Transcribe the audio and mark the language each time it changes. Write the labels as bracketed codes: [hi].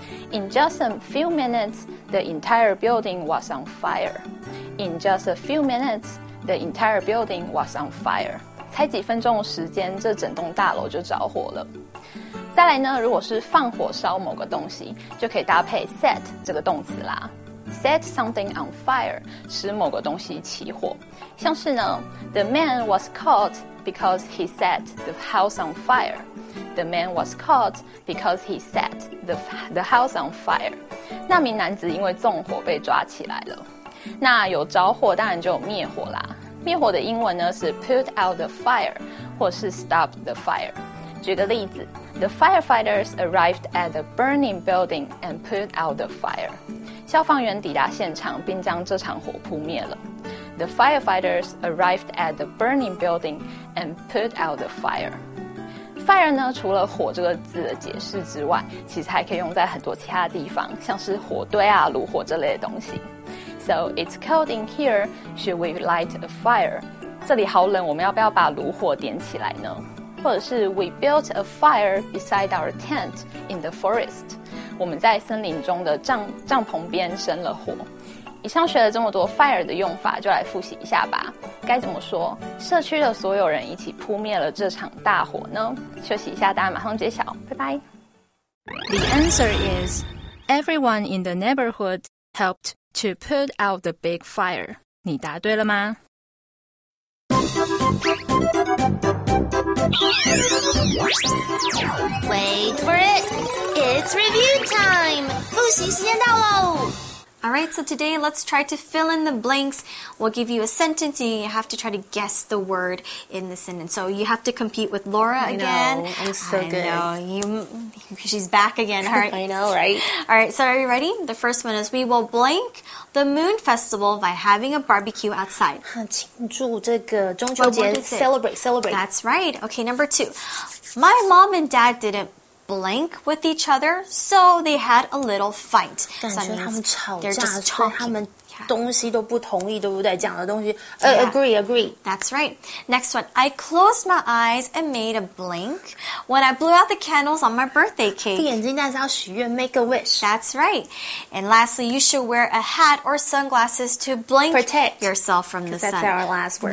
[en] In just a few minutes, the entire building was on fire. In just a few minutes, the entire building was on fire. [zh] 才几分钟的时间，这整栋大楼就着火了。再来呢，如果是放火烧某个东西，就可以搭配 set 这个动词啦。 [en] Set something on fire, [zh] 使某个东西起火。像是呢 [en] ,the man was caught because he set the house on fire. The man was caught because he set the house on fire. [zh] 那名男子因为纵火被抓起来了。那有着火当然就有灭火啦。灭火的英文呢是 [en] put out the fire [zh] 或是 [en] stop the fire. [zh] 举个例子 [en] ,the firefighters arrived at the burning building and put out the fire. [zh] 消防员抵达现场并将这场火扑灭了。 [en] The firefighters arrived at the burning building and put out the fire. [zh] Fire 呢，除了火这个字的解释之外，其实还可以用在很多其他地方，像是火堆啊、炉火这类的东西。 [en] So it's cold in here. Should we light a fire? [zh] 这里好冷，我们要不要把炉火点起来呢？或者是 [en] We built a fire beside our tent in the forest. [zh] 我们在森林中的帐篷边生了火。以上学了这么多 fire 的用法，就来复习一下吧。该怎么说？社区的所有人一起扑灭了这场大火呢？休息一下，大家马上揭晓。拜拜。 [en] The answer is everyone in the neighborhood helped to put out the big fire. [zh] 你答对了吗？ [en] Wait for it! It's review time! [zh] 复习时间到喽！ [en] Alright, so today let's try to fill in the blanks. We'll give you a sentence and you have to try to guess the word in the sentence. So you have to compete with Laura again. I know, I'm so good. She's back again, alright? I know, right? Alright, so are you ready? The first one is, we will blank the moon festival by having a barbecue outside. [zh] 庆祝这个中秋节 celebrate. [en] That's right. Okay, number two. My mom and dad didn't blank with each other, so they had a little fight. [zh] 感觉他们吵架，所以他们东西都不同意，对不对？讲的东西agree. [en] That's right. Next one. I closed my eyes and made a blink when I blew out the candles on my birthday cake. [zh] 闭眼睛但是要许愿 [en] make a wish. That's right. And lastly, you should wear a hat or sunglasses to blink protect yourself from the that's sun. That's our last word.